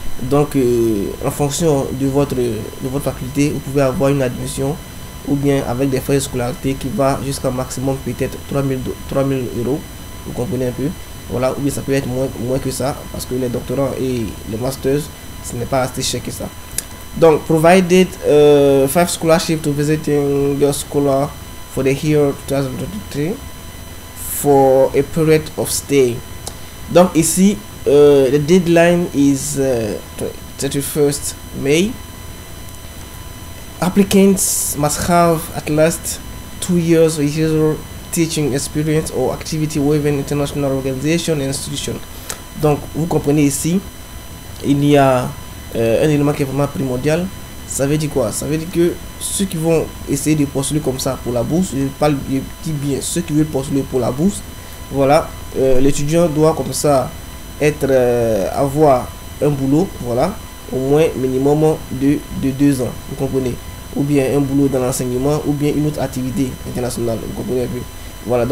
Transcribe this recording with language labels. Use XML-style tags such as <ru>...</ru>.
<fr>Donc en fonction de votre faculté, vous pouvez avoir une admission ou bien avec des frais de scolarité qui va jusqu'à maximum peut-être 3000 euros, vous comprenez un peu, voilà, ou bien ça peut être moins que ça parce que les doctorants et les masters, ce n'est pas assez cher que ça.</fr> <en>Donc provided 5 scholarships to visiting your scholar for the year 2023 for a period of stay.</en> <fr>Donc ici,</fr> <en>the deadline is 31st May. Applicants must have at least 2 years of usual teaching experience or activity with an international organization and institution.</en> <fr>Donc vous comprenez ici, il y a un élément qui est vraiment primordial. Ça veut dire quoi? Ça veut dire que ceux qui vont essayer de postuler comme ça pour la bourse, je dis bien ceux qui veulent postuler pour la bourse, voilà, l'étudiant doit comme ça avoir un boulot, voilà, au moins minimum de 2 ans, vous comprenez, ou bien un boulot dans l'enseignement ou bien une autre activité internationale, vous comprenez un peu, voilà.</fr>